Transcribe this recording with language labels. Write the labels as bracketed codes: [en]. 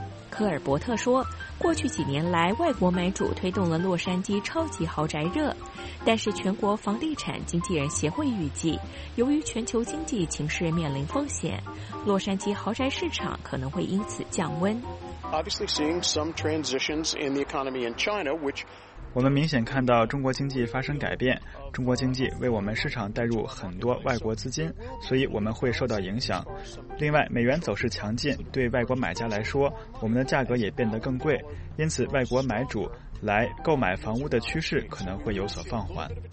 [zh] 科尔伯特说，过去几年来外国买主推动了洛杉矶超级豪宅热，但是全国房地产经纪人协会预计，由于全球经济情势面临风险，洛杉矶豪宅市场可能会因此降温。 [en] Obviously seeing some transitions in the economy in China, which... [zh] 我们明显看到中国经济发生改变，中国经济为我们市场带入很多外国资金，所以我们会受到影响。另外，美元走势强劲，对外国买家来说，我们的价格也变得更贵，因此外国买主来购买房屋的趋势可能会有所放缓。